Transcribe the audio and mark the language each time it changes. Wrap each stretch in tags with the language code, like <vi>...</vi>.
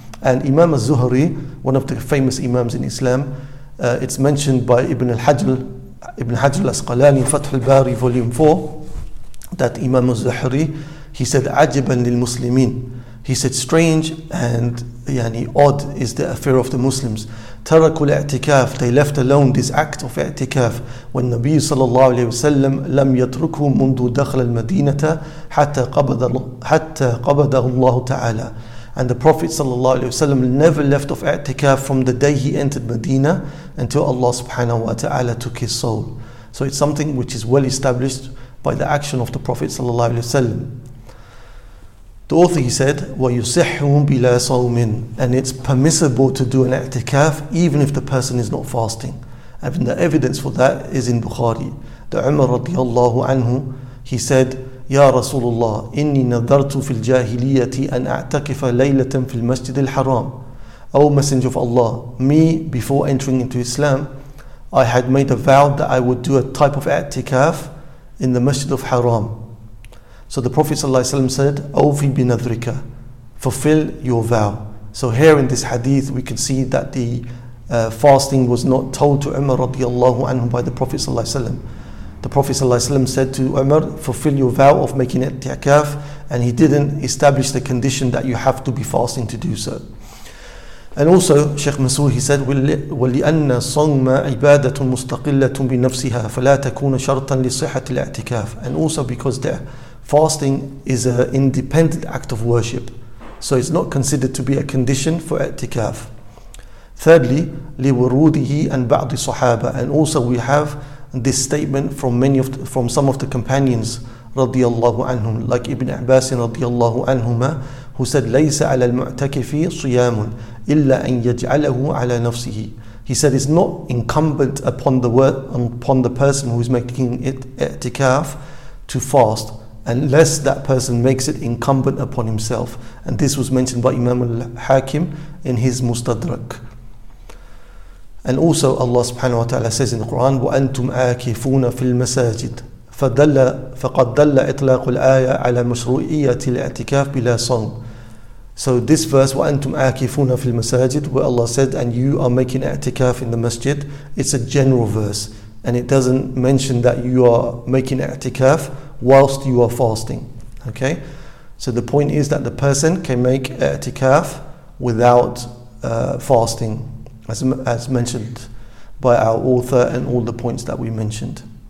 <en>And Imam al-Zuhri, one of the famous Imams in Islam, it's mentioned by Ibn Hajr al-Asqalani, Fath al-Bari, Volume 4, that Imam al-Zuhri, he said,</en> <ar>عَجِبًا لِلْمُسْلِمِينَ.</ar> <en>He said, strange and yani odd is the affair of the Muslims.</en> <ar>تَرَكُوا الْاَعْتِكَافِ,</ar> <en>they left alone this act of i'tikaf.</en> <ar>When Nabi sallallahu alayhi wa sallam لَمْ يَتْرُكُوا مُنْدُ دَخْلَ الْمَدِينَةَ حَتَّى قَبَدَهُ اللَّهُ تَعَالَى.</ar> <en>And the Prophet sallallahu alayhi wa sallam never left off i'tikaf from the day he entered Medina until Allah subhanahu wa ta'ala took his soul. So it's something which is well established by the action of the Prophet sallallahu alayhi wa sallam. The author, he said,</en> <ar>وَيُصِحُّ بِلَا صَوْمٍ,</ar> <en>and it's permissible to do an i'tikaf even if the person is not fasting. And the evidence for that is in Bukhari.</en> <ar>The Umar radiallahu anhu,</ar> <en>he said,</en> <ar>يَا رَسُولُ اللَّهِ إِنِّي نَذَرْتُ فِي الْجَاهِلِيَّةِ أَنْ أَعْتَكِفَ لَيْلَةً فِي الْمَسْجِدِ الْحَرَامِ.</ar> <en>O Messenger of Allah, me, before entering into Islam, I had made a vow that I would do a type of i'tikaf in the Masjid of Haram. So the Prophet ﷺ said,</en> <ar>أوفي بنذرك,</ar> <en>fulfill your vow. So here in this hadith, we can see that the fasting was not told to Umar radiallahu anhu by the Prophet ﷺ. The Prophet ﷺ said to Umar, fulfill your vow of making it ti'akaf, and he didn't establish the condition that you have to be fasting to do so. And also, Sheikh Mansour, he said,</en> <ar>وَلِأَنَّ صَوْمَ عِبَادَةٌ مُسْتَقِلَّةٌ بِنَفْسِهَا فَلَا تَكُونَ شَرْطًا لِصِحَةِ الْاَعْتِكَافِ.</ar> <en>And also because there, fasting is an independent act of worship, so it's not considered to be a condition for i'tikaf. Thirdly,</en> <ar>لِوَرُودِهِ أَنْ بَعْضِ صُحَابَةٍ,</ar> <en>and also we have this statement from some of the companions رضي الله عنهم, like Ibn Abbas رضي الله عنهما, who said,</en> <ar>لَيْسَ عَلَى الْمُعْتَكِفِ صِيَامٌ إِلَّا أَنْ يَجْعَلَهُ عَلَى نَفْسِهِ.</ar> <en>He said, it's not incumbent upon the person who is making it i'tikaf to fast, unless that person makes it incumbent upon himself. And this was mentioned by Imam al-Hakim in his Mustadrak. And also Allah subhanahu wa ta'ala says in the Quran,</en> <ar>وَأَنْتُمْ عَاكِفُونَ فِي الْمَسَاجِدِ فَقَدْ دَلَّ إِطْلَاقُ الْآيَةِ عَلَى مَشْرُوعِيَّةِ الْاِعْتِكَافِ بِلَا صَوْمٍ.</ar> <en>So this verse,</en> <ar>وَأَنْتُمْ عَاكِفُونَ فِي الْمَسَاجِدِ,</ar> <en>where Allah said, and you are making i'tikaf in the masjid, it's a general verse, and it doesn't mention that you are making i'tikaf whilst you are fasting. Okay, so the point is that the person can make i'tikaf without fasting, as mentioned by our author and all the points that we mentioned.</en>